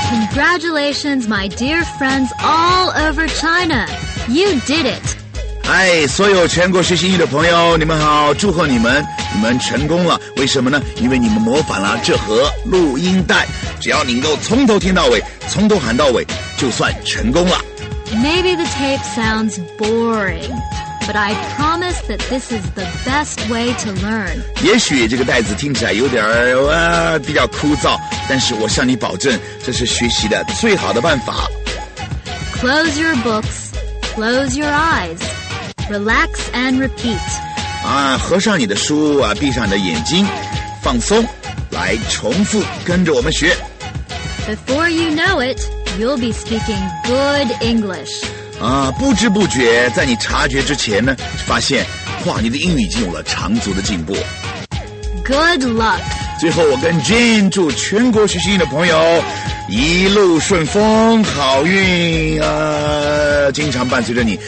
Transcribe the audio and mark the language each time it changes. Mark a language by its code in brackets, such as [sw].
[en] Congratulations, my dear friends all over China. You did it. [zh] 哎，所有全国学习英语的朋友，你们好，祝贺你们。你们成功了，为什么呢？因为你们模仿了这盒录音带，只要你能够从头听到尾，从头喊到尾，就算成功了。 [en] Maybe the tape sounds boring, but I promise that this is the best way to learn. [zh] 也许这个袋子听起来有点比较枯燥，但是我向你保证，这是学习的最好的办法。 [en] Close your books, close your eyes, relax and repeat. [zh] 啊，合上你的书啊，闭上你的眼睛，放松，来重复，跟着我们学。 [en] Before you know it, you'll be speaking good English. [zh] 啊，不知不觉，在你察觉之前呢，发现，哇，你的英语已经有了长足的进步。 [en] Good luck. [zh] 最后，我跟 Jane 祝全国学习英语的朋友一路顺风，好运啊，经常伴随着你。